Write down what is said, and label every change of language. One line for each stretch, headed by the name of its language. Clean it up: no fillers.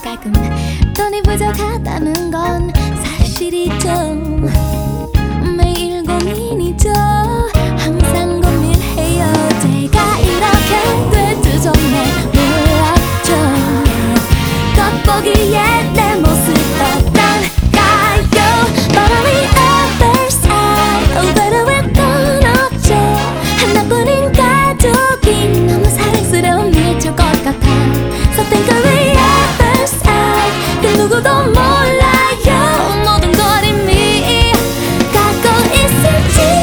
Korean: 가끔 돈이 부족하다는 건 사실이죠. 매일 고민이죠. 항상 고민해요. 제가 이렇게 될 줄 정말 몰랐죠. 겉보기에 내 모습 어떨까요.
English: But on the other side,
Korean: 외로울 건 없지. 하나뿐인 가족이 너무 사랑스러운 미칠 것 같아.
English: So think of the other side.
Korean: 그 누구도 몰라요. 모든 걸 이미 갖고 있을지.